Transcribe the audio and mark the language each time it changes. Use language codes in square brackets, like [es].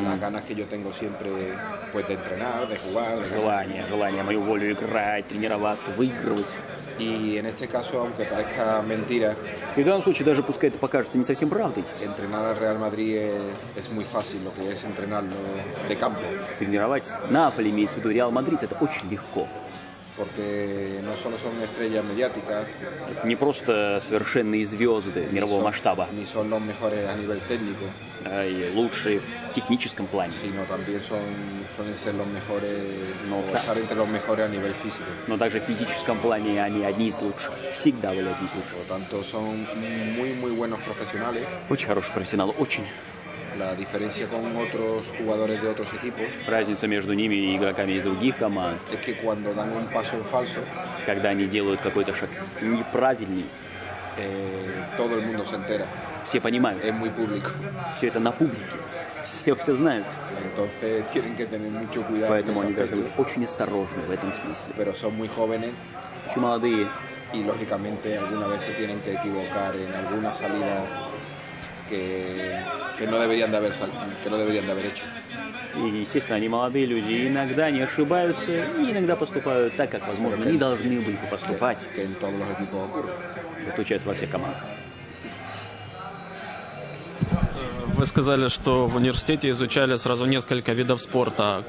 [es] Las ganas que yo tengo siempre, pues, de entrenar, de jugar... [ru] Желание, мою волю играть, тренироваться, выигрывать. [es] Y en este caso, aunque parezca mentira... [ru] И в данном случае, даже пускай это покажется не совсем правдой... [es] Entrenar al Real Madrid es muy fácil, lo que es entrenarlo de campo. [ru] Тренировать на поле, имеется в виду Реал Мадрид, это очень легко. [es] porque no solo son estrellas mediáticas, [ru] не просто совершенные звезды мирового масштаба, [es] ni son los mejores a nivel técnico, [ru] и лучшие в техническом плане, [es] sino también son ser los mejores, no, estar entre los mejores a nivel físico, [ru] но также в физическом плане они одни из лучших, всегда были одни из лучших, [es] tanto son muy muy buenos profesionales, [ru] очень хорошие профессионалы, очень. [es] La diferencia con otros jugadores de otros equipos. [ru] Разница между ними и игроками из других команд. [es] Es que cuando dan un paso en falso. [ru] Когда они делают какой-то шаг неправильный. [es] Todo el mundo se entera. [ru] Все понимают. [es] Es muy público. [ru] Все это на публике. Все знают. [es] Entonces tienen que tener mucho cuidado. [ru] Поэтому они должны быть очень осторожны в этом смысле. [es] Pero son muy jóvenes. [ru] Очень молодые. [es] Y lógicamente alguna vez se tienen que equivocar en alguna salida que no deberían de haber hecho. [ru] И, естественно, они молодые люди, и иногда они ошибаются, и иногда поступают так, как, возможно, не должны были бы поступать. Это случается во всех командах. Вы сказали, что в университете изучали сразу несколько видов спорта.